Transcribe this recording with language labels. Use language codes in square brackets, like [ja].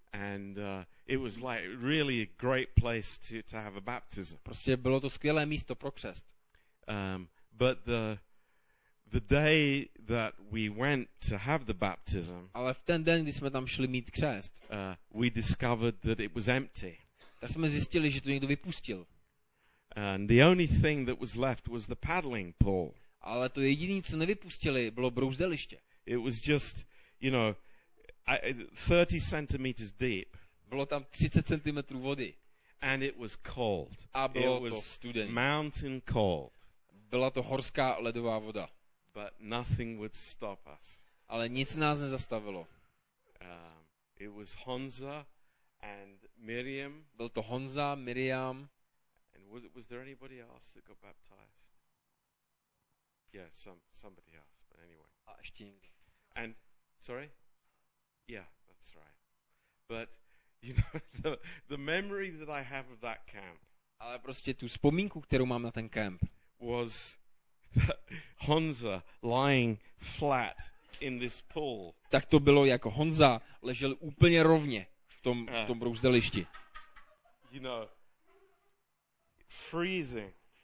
[en] And it was like really a great place to have a baptism. [cs] Prostě bylo to skvělé místo pro křest. [en] But the day that we went to have the baptism, [cs] ale v ten den, kdy jsme tam šli mít křest, [en] we discovered that it was empty. [cs] Tak jsme zjistili, že to někdo vypustil. [en] And the only thing that was left was the paddling pool. [cs] Ale to jediné, co nevypustili, bylo brouzdeliště. [en] It was just, you know, 30 centimeters deep. [cs] Bylo tam 30 centimetrů vody. [en] And it was cold. [cs] A bylo [en] it was [cs] to studený. [en] Mountain cold. [cs] Byla to horská ledová voda. [en] But nothing would stop us. [cs] Ale nic nás nezastavilo. [en] It was Honza and Miriam. [cs] Byl to Honza, Miriam. [en] And was there anybody else that got baptized? Yeah, somebody else, but anyway. [cs] A ještě někdo. [en] And sorry? Yeah, that's right. But you know the memory that I have of that camp. [cs] Ale prostě tu vzpomínku, kterou mám na ten camp. [en] Was Honza lying flat in this pool. [cs] Tak to bylo, jako Honza ležel úplně rovně v tom brouzdelišti. [en] You know, freezing.